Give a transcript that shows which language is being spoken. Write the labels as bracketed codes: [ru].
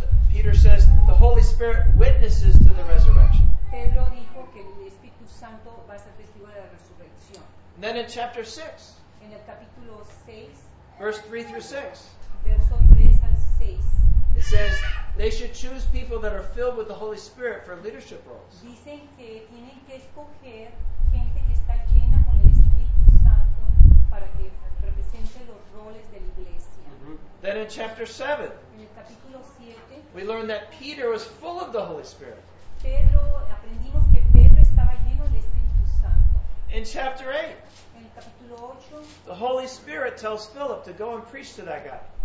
[en] Peter says, the Holy Spirit witnesses to the resurrection. [es] Pedro dijo que el Espíritu Santo va a ser testigo de la resurrección. [en] And then in chapter 6. [es] En el capítulo 6. [en] Verse 3 through 6. [es] Verso 3 al 6. [en] It says, they should choose people that are filled with the Holy Spirit for leadership roles. [es] Dicen que tienen que escoger gente que está llena con el Espíritu Santo para que represente los roles de la iglesia. Mm-hmm. [en] Then in chapter 7, [es] en el capítulo 7, [en] we learn that Peter was full of the Holy Spirit. [es] Pedro, aprendimos que Pedro estaba lleno del Espíritu Santo. [en] In chapter 8, [es] en el capítulo 8, [en] the Holy Spirit tells Philip to go and preach to that guy.